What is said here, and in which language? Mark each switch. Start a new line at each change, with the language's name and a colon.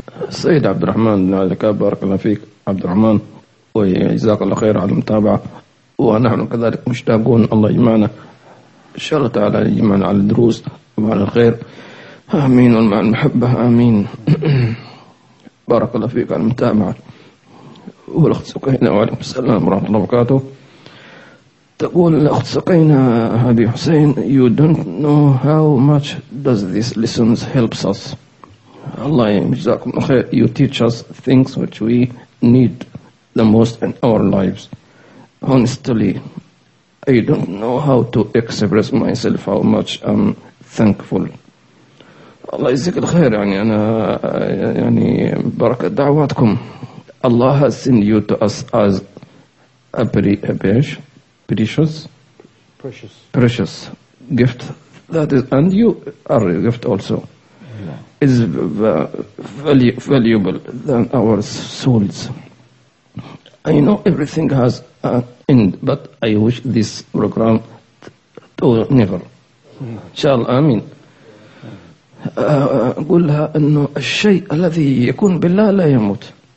Arabic: سيد عبد الرحمن لك بارك الله فيك عبد الرحمن، وجزاك الله خير على المتابعة، ونحن كذلك مشتاقون. الله يجمعنا إن شاء الله تعالى، يجمعنا على الدروس وعلى الخير، آمين، ومع المحبة آمين. بارك الله فيك على المتابعة. والأخت سكينة وعليكم السلام ورحمة الله وبركاته. تقول الأخت سكينة أبي حسين
English: you don't know how much does this lessons helps us.
Arabic: الله يجزاكم خير.
English: You teach us things which we need the most in our lives. Honestly I don't know how to express myself how much I'm thankful.
Arabic: الله يجزيك الخير. يعني أنا يعني بركة دعواتكم.
English: الله has sent you to us as a precious gift. That is, and you are a gift also. Yeah. Is valuable than our souls. I know everything has an end, but I wish this program to never. Inshallah, Amin.
Arabic: قولها أنه الشيء الذي يكون بالله لا يموت.